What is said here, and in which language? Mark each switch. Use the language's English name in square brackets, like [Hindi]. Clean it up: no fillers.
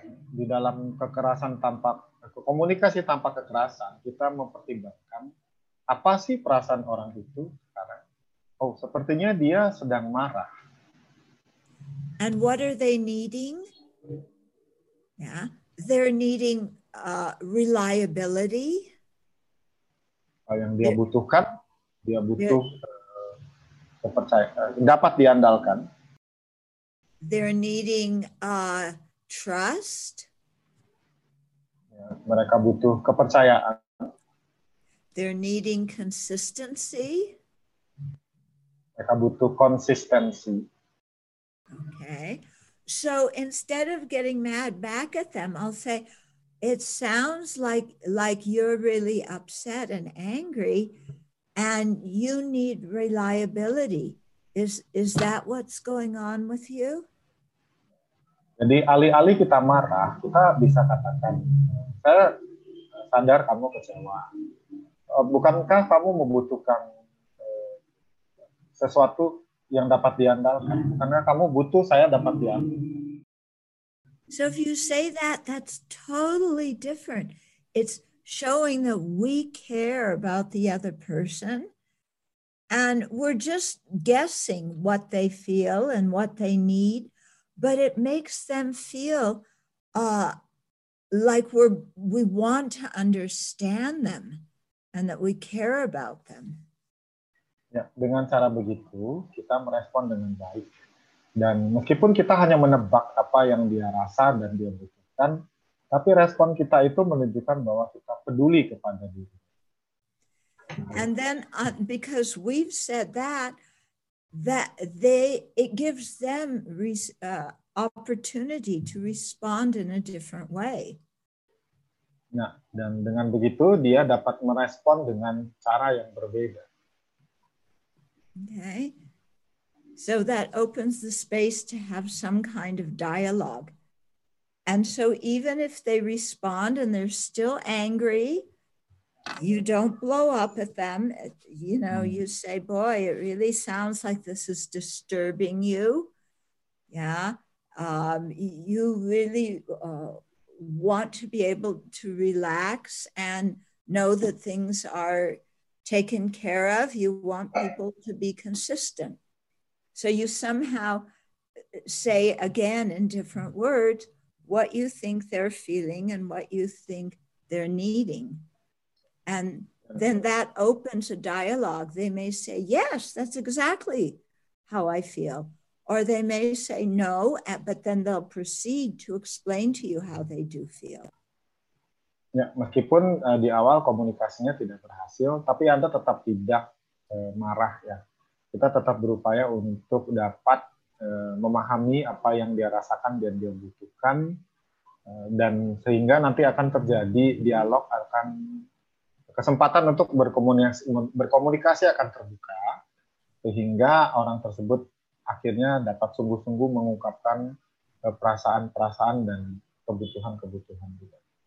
[Indonesian] Di dalam kekerasan tampak, komunikasi tampak kekerasan, kita mempertimbangkan apa sih perasaan orang itu sekarang? Oh, sepertinya dia sedang marah. [English] And what are they needing? Yeah, they're needing reliability. [Indonesian] Yang dia butuhkan, dia butuh kepercayaan, dapat diandalkan. [English] They're needing trust. [Indonesian] Ya, mereka butuh kepercayaan. [English] They're needing consistency. [Indonesian] Mereka butuh konsistensi. [English] Okay. So instead of getting mad back at them, I'll say, it sounds like you're really upset and angry, and you need reliability. Is that what's going on with you? [Indonesian] Jadi alih-alih kita marah, kita bisa katakan, saya sadar kamu kecewa. Bukankah kamu membutuhkan sesuatu yang dapat diandalkan? Karena kamu butuh saya dapat diandalkan. [English] So if you say that, that's totally different. It's showing that we care about the other person and we're just guessing what they feel and what they need, but it makes them feel like we want to understand them and that we care about them. [Indonesian] Ya, dengan cara begitu, kita merespon dengan baik. Dan meskipun kita hanya menebak apa yang dia rasa dan dia butuhkan, tapi respon kita itu menunjukkan bahwa kita peduli kepada dia. [English] And then because we've said that they, it gives them opportunity to respond in a different way. [Indonesian] Nah, dan dengan begitu dia dapat merespon dengan cara yang berbeda. [English] Okay. So that opens the space to have some kind of dialogue. And so even if they respond and they're still angry, you don't blow up at them. You know, you say, boy, it really sounds like this is disturbing you. Yeah. You really want to be able to relax and know that things are taken care of. You want people to be consistent. So you somehow say again in different words what you think they're feeling and what you think they're needing. And then that opens a dialogue. They may say, yes, that's exactly how I feel. Or they may say no, but then they'll proceed to explain to you how they do feel. [Indonesian] Ya, meskipun di awal komunikasinya tidak berhasil, tapi Anda tetap tidak marah ya. Kita tetap berupaya untuk dapat memahami apa yang dia rasakan dan dia butuhkan, dan sehingga nanti akan terjadi dialog, akan kesempatan untuk berkomunikasi akan terbuka, sehingga orang tersebut akhirnya dapat sungguh-sungguh mengungkapkan perasaan-perasaan dan kebutuhan-kebutuhan juga.